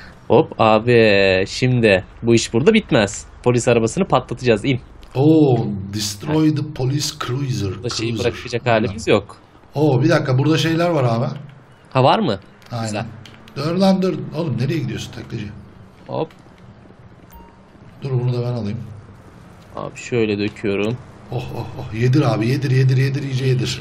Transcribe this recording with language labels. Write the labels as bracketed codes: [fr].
[tr] Hop abi şimdi bu iş burada bitmez. Polis arabasını patlatacağız in. [en] Oo destroy the police cruiser. [tr] Burada şeyi bırakacak halimiz yok. Oo bir dakika burada şeyler var abi. Ha var mı? Aynen. Dur lan dur. Oğlum nereye gidiyorsun taklacı? Hop. Dur bunu da ben alayım. Abi şöyle döküyorum. Oh oh oh yedir abi yedir yedir yedir iyice yedir.